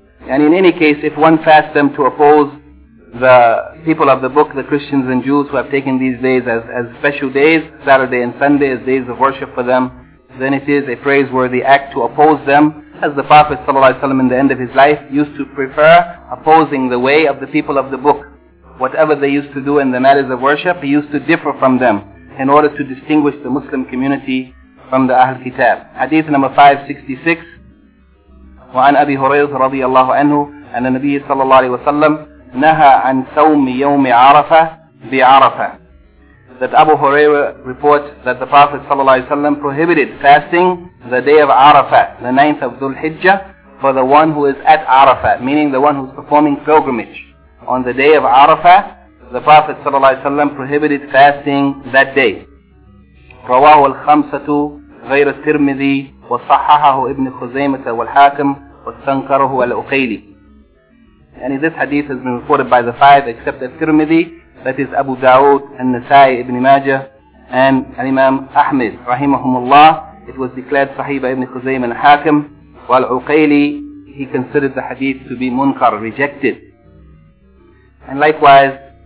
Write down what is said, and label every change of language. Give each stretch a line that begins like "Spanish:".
English: And in any case, if one fasts them to oppose the people of the book, the Christians and Jews who have taken these days as special days, Saturday and Sunday as days of worship for them, then it is a praiseworthy act to oppose them, as the Prophet ﷺ in the end of his life used to prefer opposing the way of the people of the book. Whatever they used to do in the matters of worship, he used to differ from them in order to distinguish the Muslim community from the Ahl Kitab. Hadith number 566,
Arabic: وَعَنْ أَبِي هُرَيْرَةَ رَضِيَ اللَّهُ عَنْهُ أَنَّ النَّبِيَّ صَلَّى اللَّهُ عَلَيْهِ وَسَلَّمَ نهى عن صوم يوم عرفة بعرفة.
English: That Abu Huraira reports that the Prophet ﷺ prohibited fasting the day of Arafah, the 9th of Dhul Hijjah, for the one who is at Arafah, meaning the one who is performing pilgrimage. On the day of Arafah, the Prophet ﷺ prohibited fasting that day.
Arabic: رواه الخمسة غير الترمذي وصححه ابن خزيمة والحاكم واستنكره الأقيلي.
English: And this hadith has been reported by the five except Al-Tirmidhi, that is Abu Dawood, and Nasa'i Ibn Majah, and Imam Ahmed, rahimahumullah. It was declared sahih by Ibn Khuzaym and Hakim, while Uqayli, he considered the hadith to be munkar, rejected. And likewise,